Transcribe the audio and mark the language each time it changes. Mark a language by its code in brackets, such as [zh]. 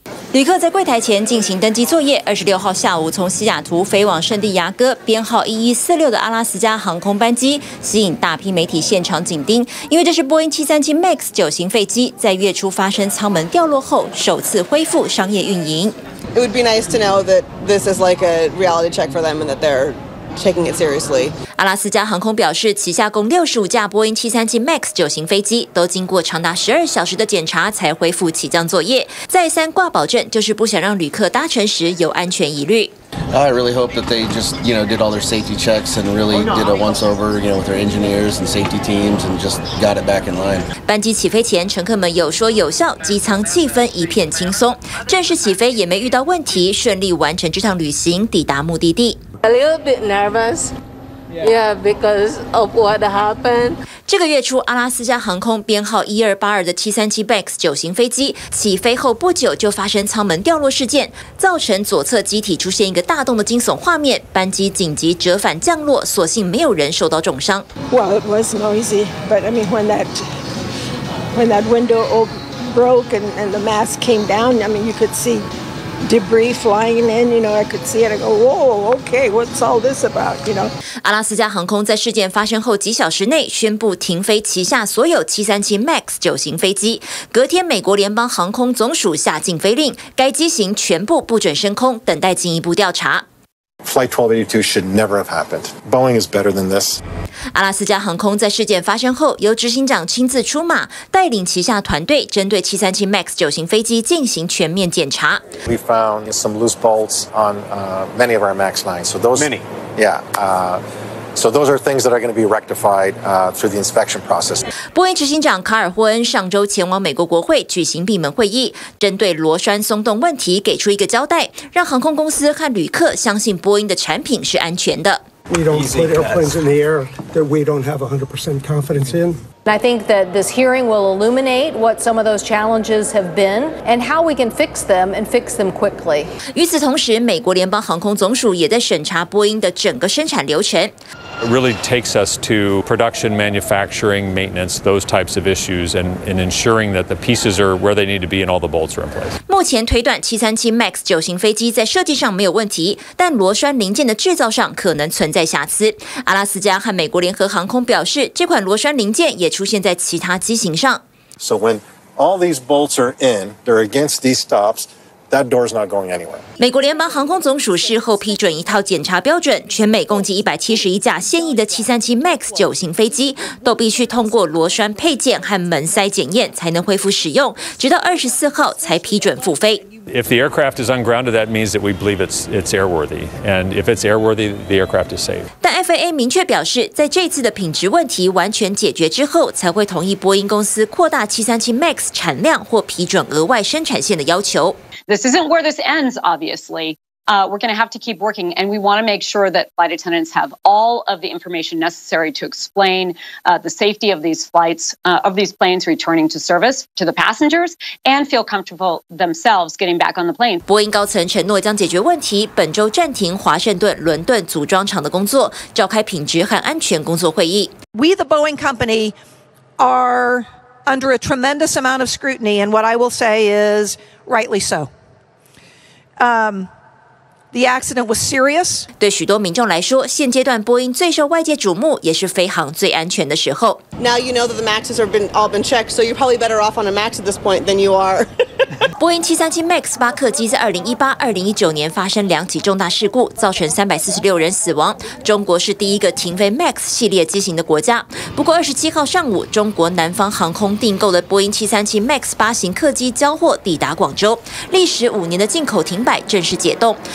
[zh] 旅客在柜台前进行登机作业。26号下午从西雅图飞往圣地牙哥，编号1146的阿拉斯加航空班机吸引大批媒体现场紧盯，因为这是波音737 MAX 9型飞机在月初发生舱门掉落后首次恢复商业运营。 [en] It would be nice to know that this is like a reality check for them and that they're taking it seriously. [zh] 阿拉斯加航空表示，旗下共65架波音737 MAX 9型飞机都经过长达12小时的检查才恢复起降作业，再三挂保证，就是不想让旅客搭乘时有安全疑虑。 [en] I really hope that they just, you know, did all their safety checks and really did a once over, you know, with their engineers and safety teams and just got it back in line. [zh] 班机起飞前，乘客们有说有笑，机舱气氛一片轻松。正式起飞也没遇到问题，顺利完成这趟旅行，抵达目的地。 [en] A little bit nervous. Yeah, because of what happened. [zh] 这个月初，阿拉斯加航空编号1282的737 MAX 9型飞机起飞后不久就发生舱门掉落事件，造成左侧机体出现一个大洞的惊悚画面，班机紧急折返降落，所幸没有人受到重伤。 [en] Well, it was noisy, but I mean when that window broke and the mask came down, I mean you could see debris flying in. You know, I could see it. I go, whoa, okay, what's all this about? You know. [zh] 阿拉斯加航空在事件发生后几小时内宣布停飞旗下所有737 MAX 9型飞机。隔天，美国联邦航空总署下禁飞令，该机型全部不准升空，等待进一步调查。 [en] Flight 1282 should never have happened. Boeing is better than this. [zh] 阿拉斯加航空在事件发生后，由执行长亲自出马，带领旗下团队针对737 MAX 9型飞机进行全面检查。 [en] We found some loose bolts on many of our MAX lines. So those many, yeah. So those are things that are going to be rectified through the inspection process. [zh] 波音执行长卡尔霍恩上周前往美国国会举行闭门会议，针对螺栓松动问题给出一个交代，让航空公司和旅客相信波音的产品是安全的。 [en] We don't put airplanes in the air that we don't have 100% confidence in. And I think that this hearing will illuminate what some of those challenges have been and how we can fix them and fix them quickly. [zh] 与此同时，美国联邦航空总署也在审查波音的整个生产流程。 [en] It really takes us to production, manufacturing, maintenance, those types of issues, and ensuring that the pieces are where they need to be and all the bolts are in place. [zh] 目前推断737 MAX 九型飞机在设计上没有问题，但螺栓零件的制造上可能存在瑕疵。阿拉斯加和美国联合航空表示，这款螺栓零件也出现在其他机型上。 [en] So when all these bolts are in, they're against these stops. That door's not going anywhere. [zh] 美国联邦航空总署事后批准一套检查标准，全美共计171架现役的737 MAX 九型飞机都必须通过螺栓配件和门塞检验才能恢复使用，直到24号才批准复飞。 [en] If the aircraft is ungrounded, that means that we believe it's airworthy. And if it's airworthy, the aircraft is safe. [zh] 但 FAA 明确表示，在这次的品质问题完全解决之后，才会同意波音公司扩大737 MAX 产量或批准额外生产线的要求。 [en] This isn't where this ends, obviously. We're going to have to keep working, and we want to make sure that flight attendants have all of the information necessary to explain the safety of these flights, of these planes returning to service to the passengers, and feel comfortable themselves getting back on the plane. [zh] 波音高层承诺将解决问题，本周暂停华盛顿、伦敦组装厂的工作，召开品质和安全工作会议。 [en] We, the Boeing company, are under a tremendous amount of scrutiny, and what I will say is... Rightly so. The accident was serious. [zh] 对许多民众来说，现阶段波音最受外界瞩目，也是飞行最安全的时候。 [en] Now you know that the MAXs have all been checked, so you're probably better off on a MAX at this point than you are. [zh] 波音737 MAX 巴克机在2018-2019年发生两起重大事故，造成346人死亡。中国是第一个停飞 MAX 系列机型的国家。不过27号上午，中国南方航空订购的波音737 MAX 8型客机交货抵达广州，历时五年的进口停摆正式解冻。